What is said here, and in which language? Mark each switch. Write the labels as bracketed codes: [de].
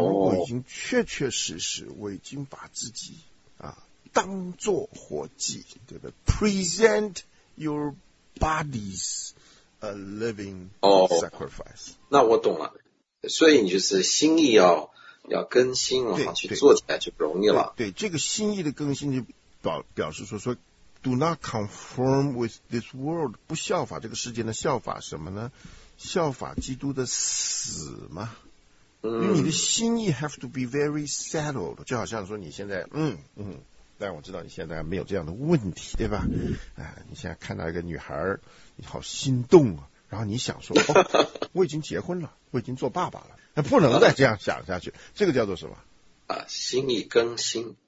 [zh] 如果已经确确实实，我已经把自己啊当做活祭，对不对 ？ [en] Present your bodies a living sacrifice、 [zh] 哦。那我懂了，所以你就是心意要更新了，好去做起来就不容易了。对，这个心意的更新就表示说。 [en] Do not conform with this world. [zh] 不效法这个世界的效法什么呢？效法基督的死吗？嗯，你的心意 [en] have to be very settled. [zh] 就好像说你现在，但我知道你现在没有这样的问题，对吧？你现在看到一个女孩，你好心动啊，然后你想说，哦，我已经结婚了，我已经做爸爸了，那不能再这样想下去。这个叫做什么？啊，心意更新。